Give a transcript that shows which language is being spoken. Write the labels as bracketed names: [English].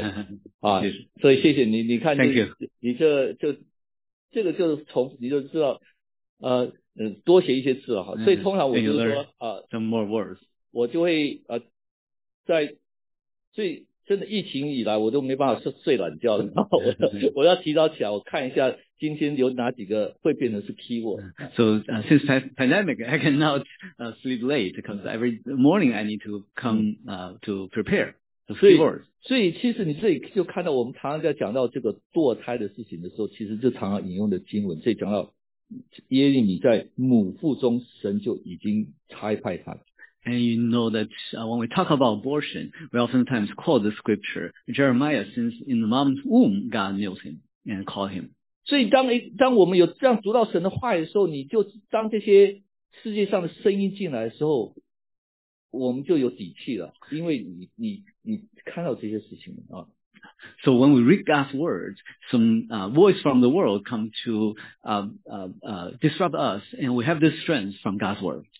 [Chinese] 啊，所以谢谢你，你看你，你这就这个就是从你就知道，多写一些字哈。所以通常我就是说啊 [English] ，some more words， [Chinese] 我就会在最真的疫情以来，我都没办法睡懒觉，然后我要提早起来，我看一下今天有哪几个会变成是 keyword。 [English] So since pandemic, I cannot sleep late because every morning I need to come to prepare the keywords. [Chinese] 所以其实你这里就看到我们常常在讲到这个堕胎的事情的时候，其实就常常引用的经文，所以讲到耶利米在母腹中，神就已经差派他。 [English] And you know that when we talk about abortion, we oftentimes quote the scripture Jeremiah, since in the mom's womb, God knows him and called him. [Chinese] 所以当我们有这样读到神的话语的时候，你就当这些世界上的声音进来的时候，我们就有底气了，因为你看到这些事情啊。 [English] So when we read God's words, some voice from the world come to disrupt us, and we have this strength from God's word.